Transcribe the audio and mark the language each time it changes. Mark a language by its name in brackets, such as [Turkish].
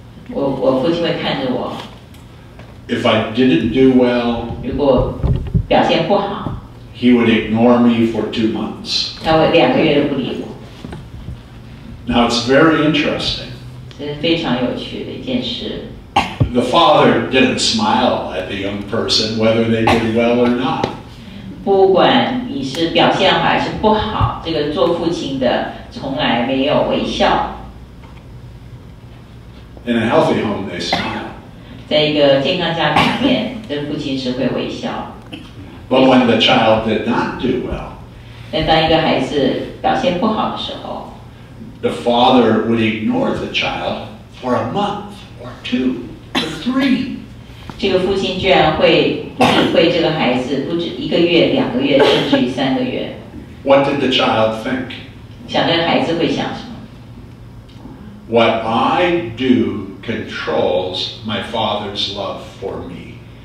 [Chinese] 我父亲会看着我。 [English] If I didn't do well, [Chinese] 如果表现不好， [English] he would ignore me for 2 months. [Chinese] 他会两个月都不理我。 [English] Now it's very interesting. [Chinese] 这是非常有趣的一件事。 [English] The father didn't smile at the young person whether they did well or not. [Chinese] 不管你是表现好还是不好，这个做父亲的从来没有微笑。 [English] In a healthy home, they smile. [Chinese] 在一个健康家里面，这父亲是会微笑。 [English] But when the child did not do well, [Chinese] 但当一个孩子表现不好的时候， [English] the father would ignore the child for a month or two or three. [Chinese] 这个父亲居然会理会这个孩子不止一个月、两个月，甚至于三个月。 [English] What did the child think? [Chinese] 想这个孩子会想什么？ [English] What I do controls my father's love for me.